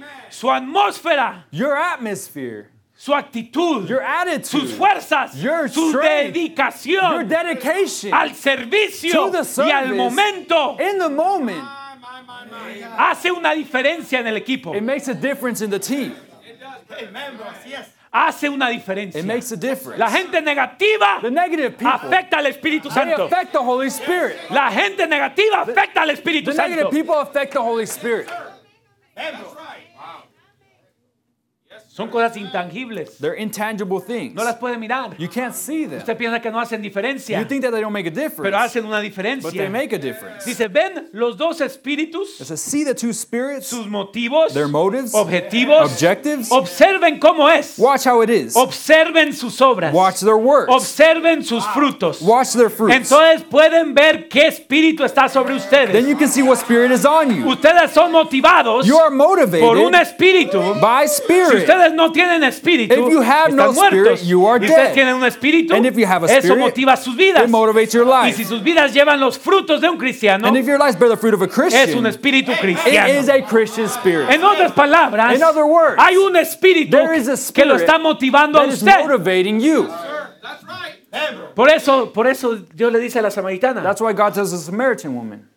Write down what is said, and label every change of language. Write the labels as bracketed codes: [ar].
[es] Su atmósfera. [en] Your atmosphere. [es] Su actitud, [en] your attitude, [es] sus fuerzas, [en] your [es] su [en] strength, [es] dedicación, [en] your dedication, [es] al servicio [en] to the service, [es] y al momento, [en] in the moment, [es] hace una diferencia en el equipo. [en] It makes a difference in the team. [es] Hace una diferencia. [en] It makes a difference. [es] La gente negativa [en] the negative people, [es] afecta al Espíritu Santo. [en] They affect the Holy Spirit. [es] La gente negativa afecta al Espíritu [en] the [es] Santo. [en] Negative people affect the Holy Spirit. [es] Son cosas intangibles. [en] They're intangible things. [es] No las puede mirar. [en] You can't see them. [es] Usted piensa que no hacen diferencia. [en] You think that they don't make a difference. [es] Pero hacen una diferencia. [en] But they make a difference. [es] Dice, ven los dos espíritus. [en] It says, see the two spirits. [es] Sus motivos. [en] Their motives. [es] Objetivos. [en] Objectives. [es] Observen cómo es. [en] Watch how it is. [es] Observen sus obras. [en] Watch their works. [es] Observen sus frutos. [en] Watch their fruits. [es] Entonces pueden ver qué espíritu está sobre ustedes. [en] Then you can see what spirit is on you. [es] Ustedes son motivados. [en] You are motivated. [es] Por un espíritu. [en] By spirit. [es] Si ustedes no tienen espíritu, [en] if you have [es] están no muertos. [en] Spirit, you are [es] si ustedes Tienen un espíritu, [en] and if you have a spirit, [es] eso motiva sus vidas. [en] It motivates your life. [es] Y si sus vidas llevan los frutos de un cristiano, [en] and if your lives bear the fruit of a Christian, [es] es un espíritu cristiano. [en] It is a Christian spirit. [es] En otras palabras, [en] in other words, [es] hay un espíritu [en] there is a spirit [es] que lo está motivando [en] that [es] a usted. [en] Is motivating you. [es] Por eso Dios le dice a la samaritana. [en] That's why God tells the Samaritan woman.